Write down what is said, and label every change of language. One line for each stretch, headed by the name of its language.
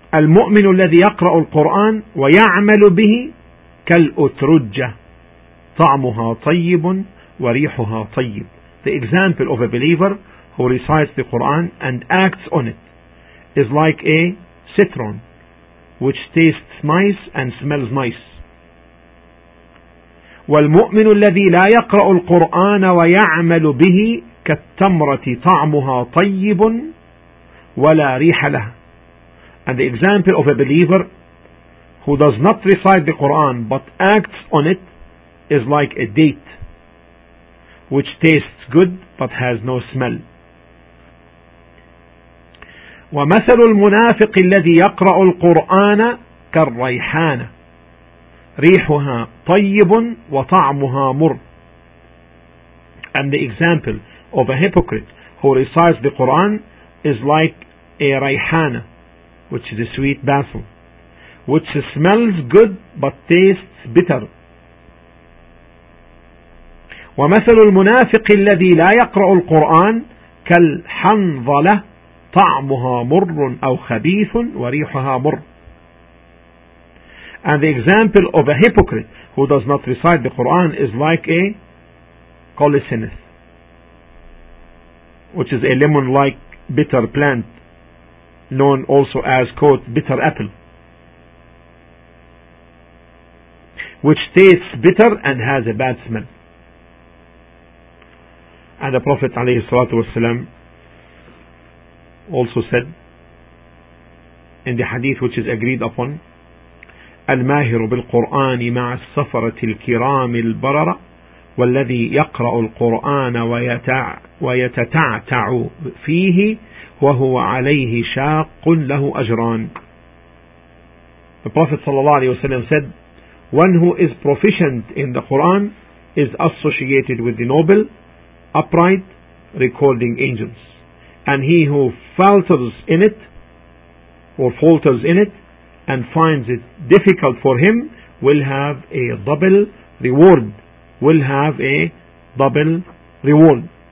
Arabic: المؤمن الذي يقرأ القرآن ويعمل به كالأترجة طعمها طيب وريحها طيب.
English: The example of a believer who recites the Quran and acts on it is like a citron which tastes nice and smells nice.
Arabic: والمؤمن الذي لا يقرأ القرآن ويعمل به كالتمرة طعمها طيب ولا ريح لها.
English: And the example of a believer who does not recite the Quran but acts on it is like a date which tastes good but has no smell.
Arabic: ومثل المنافق الذي يقرأ القرآن كالريحانة ريحها طيب وطعمها مر.
English: And the example of a hypocrite who recites the Quran is like a rayhana, which is a sweet basil, which smells good but tastes bitter.
Arabic: ومثل المنافق الذي لا يقرأ القرآن كالحنظلة طعمها مر أو خبيث وريحها مر.
English: And the example of a hypocrite who does not recite the Quran is like a colocynth, which is a lemon-like bitter plant known also as, quote, bitter apple, which tastes bitter and has a bad smell. And the Prophet alayhi salatu wasalam also said in the hadith which is agreed upon,
Arabic: الماهر بالقرآن مع السفرة الكرام البررة والذي يقرأ القرآن ويتتعتع فيه وهو عليه شاق له أجران.
English: The Prophet sallallahu alayhi wasalam said, one who is proficient in the Quran is associated with the noble, upright recording angels, and he who falters in it or falters in it and finds it difficult for him will have a double reward, will have a double reward.